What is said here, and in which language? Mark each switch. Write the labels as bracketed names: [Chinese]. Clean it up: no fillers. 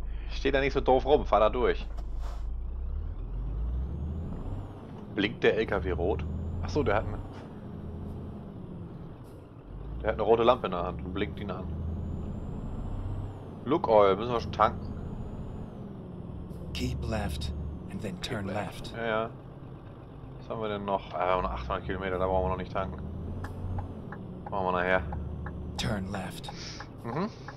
[German] Steht da nicht so doof rum, fahr da durch. Blinkt der LKW rot? Achso, der hat eine rote Lampe in der Hand und blinkt ihn an. Look Oil, müssen wir schon tanken. [English] Keep left and then turn left. [German] Ja, ja. Was haben wir denn noch? Ah, 800 Kilometer, da brauchen wir noch nicht tanken. Machen wir nachher. [English] Turn left. Mhm.